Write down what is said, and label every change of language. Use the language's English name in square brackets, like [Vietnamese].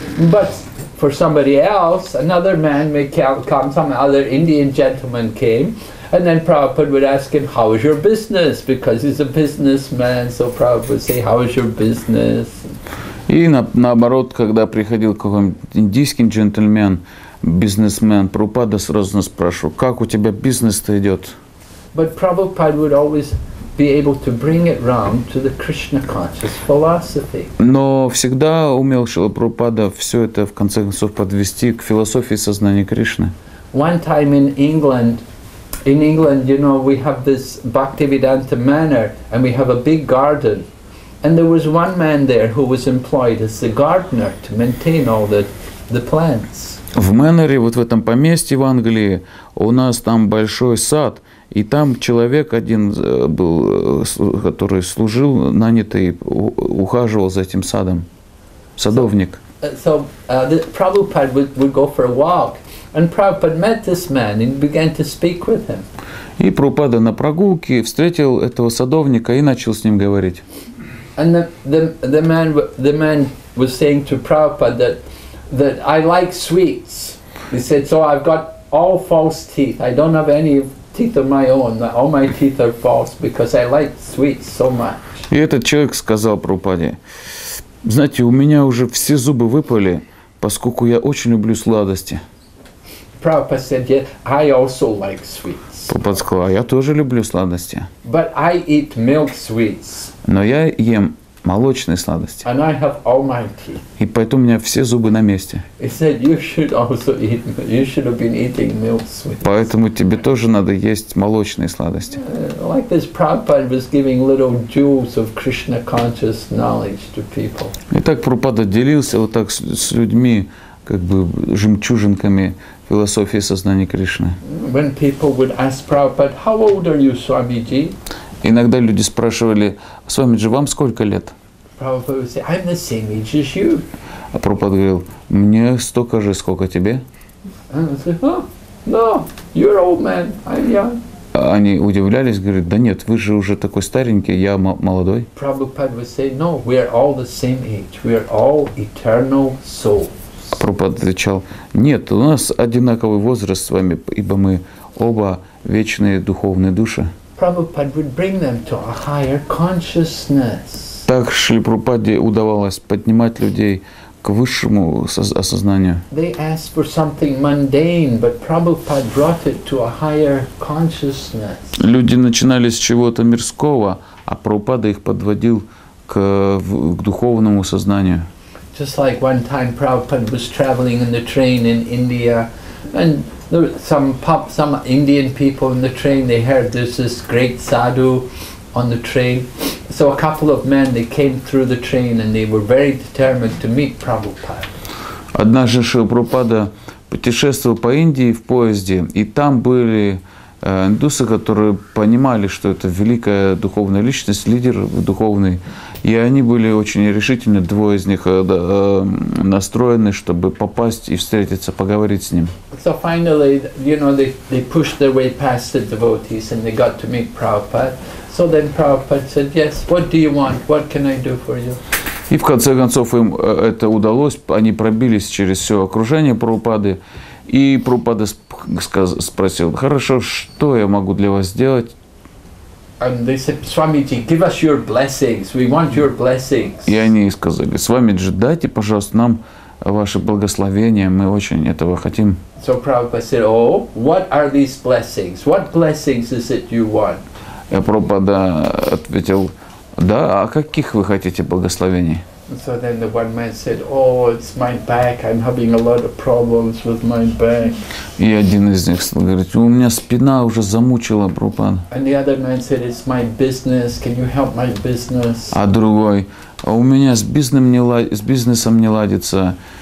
[English] But for somebody else, another man may come, some other Indian gentleman came, and then Prabhupada would ask him, how is your business? Because he's a businessman, so Prabhupada would say, how is your business? [Russian] И наоборот, когда приходил какой-нибудь индийский джентльмен, бизнесмен, Прабхупада сразу нас спрашивал, как у тебя бизнес-то идет? [English] But Prabhupada would always be able to bring it round to the Krishna conscious philosophy. [Russian] Но всегда умел Шрила Прабхупада все это в конце концов подвести к философии сознания Кришны. [English] One time in England, you know, we have this Bhaktivedanta Manor, and we have a big garden. And there was one man there who was employed as the gardener to maintain all the plants. [Russian] В Мэннере, вот в этом поместье в Англии, у нас там большой сад, и там человек один был, который служил, нанятый, ухаживал за этим садом, садовник. [English] So Prabhupada would go for a walk, and Prabhupada met this man and began to speak with him. [Russian] И Прабхупада на прогулке встретил этого садовника и начал с ним говорить. [English] And the man was saying to Prabhupada that I like sweets. He said, so I've got all false teeth. I don't have any teeth of my own. All my teeth are false because I like sweets so much. [Russian] И этот человек сказал Прабхупаде, знаете, у меня уже все зубы выпали, поскольку я очень люблю сладости. [English] Prabhupada said, yeah, I also like sweets. [Russian] Прабхупада сказал, а я тоже люблю сладости. [English] But I eat milk sweets. [Russian] Но я ем молочные сладости. [English] And I have all my teeth. [Russian] И поэтому у меня все зубы на месте. [English] He said, you should also eat, you should have been eating milk sweets. [Russian] Поэтому тебе тоже надо есть молочные сладости. [English] Like this, Prabhupada was giving little jewels of Krishna conscious knowledge to people. [Russian] И так Прабхупада делился вот так с людьми, как бы жемчужинками философии сознания Кришны. [English] When people would ask Prabhupada, how old are you, Swamiji? [Russian] Иногда люди спрашивали, Свамиджи, вам сколько лет? [English] Prabhupada would say, I'm the same age as you. [Russian] А Прабхупада говорил, мне столько же, сколько тебе. [English] And they said, oh, no, you're old man, I'm young. [Russian] Они удивлялись, говорят, да нет, вы же уже такой старенький, я молодой. [English] Prabhupada would say, no, we are all the same age, we are all eternal souls. [Russian] А Прабхупада отвечал, нет, у нас одинаковый возраст с вами, ибо мы оба вечные духовные души. [English] Prabhupada would bring them to a higher consciousness. [Russian] Так Шриле Прабхупаде удавалось поднимать людей к высшему осознанию. [English] They asked for something mundane, but Prabhupada brought it to a higher consciousness. [Russian] Люди начинали с чего-то мирского, а Прабхупада их подводил к духовному сознанию. [English] Just like one time Prabhupada was traveling in the train in India, and there were some Indian people in the train, they heard there's this great sadhu on the train. So a couple of men, they came through the train and they were very determined to meet Prabhupada. [Russian] Однажды Шрила Прабхупада путешествовал по Индии в поезде, и там были индусы, которые понимали, что это великая духовная личность, лидер духовный. И они были очень решительны, двое из них настроены, чтобы попасть и встретиться, поговорить с ним. [English] So finally, you know, they pushed their way past the devotees and they got to meet Prabhupada. So then Prabhupada said, yes, what do you want? What can I do for you? [Russian] И в конце концов им это удалось, они пробились через все окружение Прабхупады. И Прабхупада спросил, хорошо, что я могу для вас сделать? [English] And they said, Swamiji, give us your blessings. We want your blessings. [Russian] И они сказали, Свамиджи, дайте, пожалуйста, нам ваше благословение. Мы очень этого хотим. [English] So Prabhupada said, oh, what are these blessings? What blessings is it you want? [Russian] И Прабхупада ответил, да, а каких вы хотите благословений? [English] So then the one man said, oh, it's my back. I'm having a lot of problems with my back. [Russian] И один из них стал говорить, у меня спина уже замучила, Прабхупада. [English] And the other man said, it's my business. Can you help my business? [Russian] А другой, у меня с бизнесом не ладится.